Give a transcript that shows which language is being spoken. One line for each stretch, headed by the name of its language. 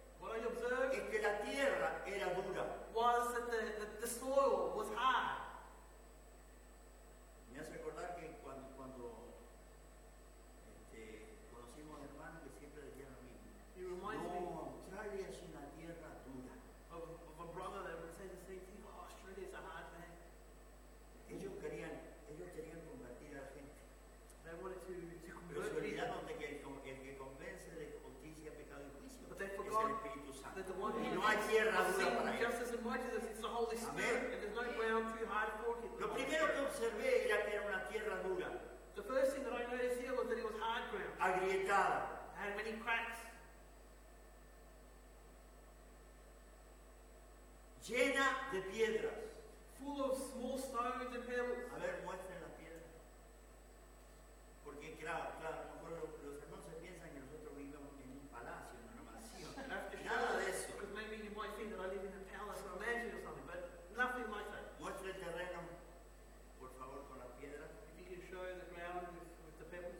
English: what I observed,
Spanish: es que la tierra era dura.
English: Was that the soil was hard.
Spanish: Me hace recordar que cuando conocimos a hermanos que siempre decían lo mismo. No, me, Australia es una tierra dura.
English: Of a brother that would say the same thing. Oh, Australia is a hard land.
Spanish: Ellos querían convertir a la gente.
English: They wanted to convert.
Spanish: Pero se olvidaron de que el que convence de justicia, pecado y juicio es el Espíritu Santo. Y no hay tierra dura para él.
English: Just as much as it's the Holy Spirit. Amen. And there's no ground too hard for him.
Spanish: Lo primero que observé era que era una tierra dura.
English: The first thing that I noticed here was that it was hard ground.
Spanish: Agrietada.
English: It had many cracks.
Spanish: Llena de piedras.
English: Full of small stones and pebbles.
Spanish: A ver, muestren las piedras. Porque claro, a lo mejor los hermanos se piensan que nosotros vivimos en un palacio, en una mansión. Nada de eso.
English: Because maybe you might think that I live in a palace or a mansion or something, but nothing like that.
Spanish: Muestre el terreno, por favor, con las piedras.
English: If you can show the ground with the pebbles.